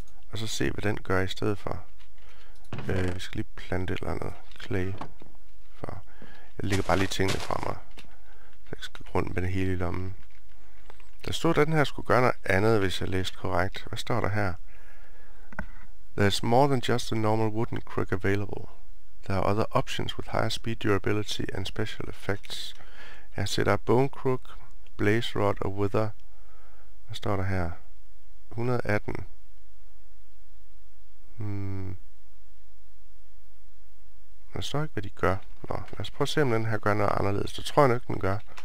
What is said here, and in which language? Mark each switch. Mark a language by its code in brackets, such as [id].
[da] Og så se, hvad den gør i stedet for. Vi skal lige plante et eller andet clay. For jeg lægger bare lige tingene fra mig. Så jeg skal rundt med det hele i lommen. Der stod, at den her skulle gøre noget andet, hvis jeg læste korrekt. Hvad står der her? [en] There's more than just a normal wooden crook available. There are other options with higher speed, durability and special effects. [da] Jeg sætter bone crook, blaze rod og wither. Hvad står der her? 118. Jeg står ikke, hvad de gør. Nå, lad os prøve at se, om den her gør noget anderledes. Det tror jeg nok, den gør.